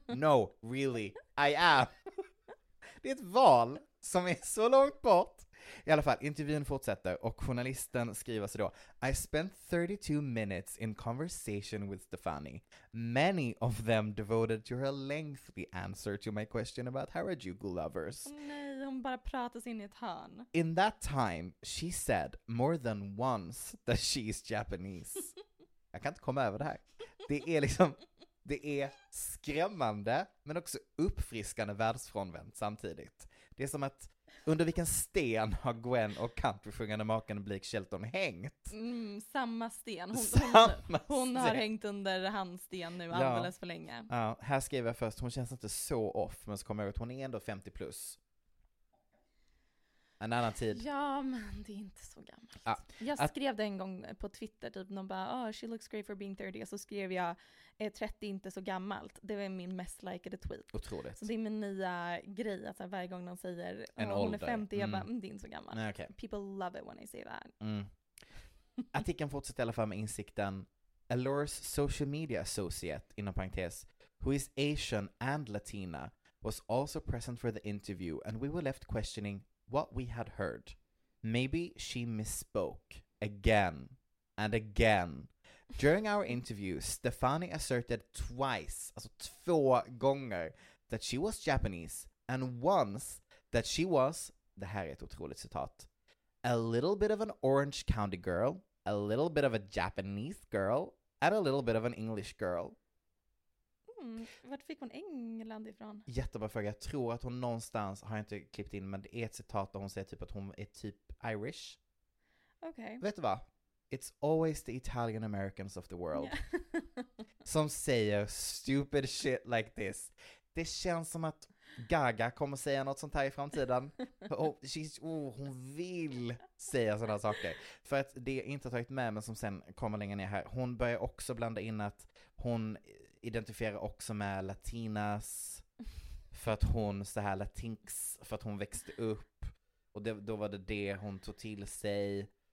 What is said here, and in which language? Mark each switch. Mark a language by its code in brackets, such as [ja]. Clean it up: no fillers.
[en] No, really, I am. [sv] Det är ett val som är så långt bort. I alla fall, intervjun fortsätter och journalisten skriver så då, [en] I spent 32 minutes in conversation with Stefani. Many of them devoted to her lengthy answer to my question about Harajuku lovers. [sv] Nej, hon bara pratas in i ett hörn. [en] In that time, she said more than once that she's Japanese. [sv] Jag kan inte komma över det här. Det är liksom, det är skrämmande men också uppfriskande världsfrånvänt samtidigt. Det är som att under vilken sten har Gwen och countrysjungande maken Blake Shelton hängt? Mm, samma sten. Hon har hängt under hans sten nu alldeles för länge. Ja, här skriver jag först, hon känns inte så off, men så kommer jag ut, hon är ändå 50 plus. En annan tid. Ja, men det är inte så gammalt. Ja, jag skrev det en gång på Twitter, typ någon bara, [en] oh, she looks great for being 30, [sv] så skrev jag, är 30 inte så gammalt? Det var min mest likade tweet. Otroligt. Så det är min nya grej, att alltså, varje gång de säger hon är 50, jag bara, det är inte så gammalt. Nej, okay. [en] People love it when I say that. Mm. [sv] Artikeln fortsätter i alla fall med insikten, [en] Allure's social media associate, [sv] inom parentes, [en] who is Asian and Latina, was also present for the interview and we were left questioning what we had heard. Maybe she misspoke again and again. During our interview, Stefani asserted twice, [sv] alltså två gånger, [en] that she was Japanese and once that she was, [sv] det här är ett otroligt citat, [en] a little bit of an Orange County girl, a little bit of a Japanese girl, and a little bit of an English girl. [sv] Vart fick hon England ifrån? Jättebra fråga. Jag tror att hon någonstans, har jag inte klippt in, men det är ett citat där hon säger typ att hon är typ Irish. Okej. Okay. Vet du vad? [en] It's always the Italian Americans of the world. Yeah. [sv] Som säger [en] stupid shit like this. [sv] Det känns som att Gaga kommer säga något sånt här i framtiden. Hon vill säga sådana saker. För att det är inte tagit med, men som sen kommer längre ner här. Hon börjar också blanda in att hon identifierar också med latinas, för att hon så här latinx, för att hon växte upp och det, då var det det hon tog till sig.